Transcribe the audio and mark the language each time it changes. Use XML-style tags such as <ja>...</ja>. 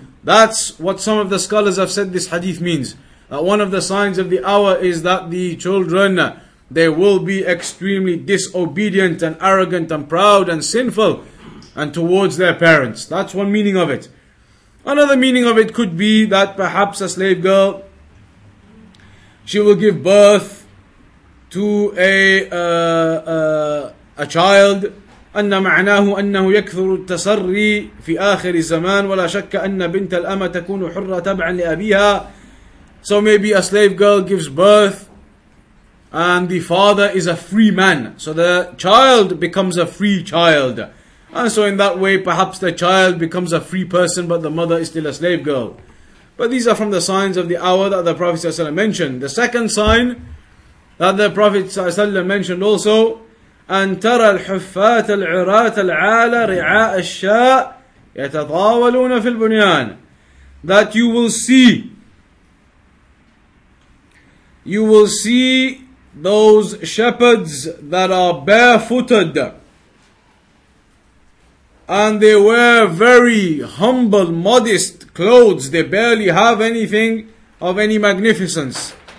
<en>That's what some of the scholars have said this hadith means. That one of the signs of the hour is that the children, they will be extremely disobedient and arrogant and proud and sinful and towards their parents. That's one meaning of it. Another meaning of it could be that perhaps a slave girl, she will give birth to a child.</en> <ar>أن معناه أنه يكثر التسري في آخر الزمان ولا شك أن بنت الأمة تكون حرة تبعا لأبيها.</ar> <en>So maybe a slave girl gives birth and the father is a free man. So the child becomes a free child. And so in that way, perhaps the child becomes a free person, but the mother is still a slave girl. But these are from the signs of the hour that the Prophet ﷺ mentioned. The second sign that the Prophet ﷺ mentioned also,</en> <ar>أن ترى الحفات العراة العالى رعاء الشاء يتطاولون في البنيان.</ar> <en>That you will see. You will see those shepherds that are barefooted, and they wear very humble, modest clothes. They barely have anything of any magnificence.</en>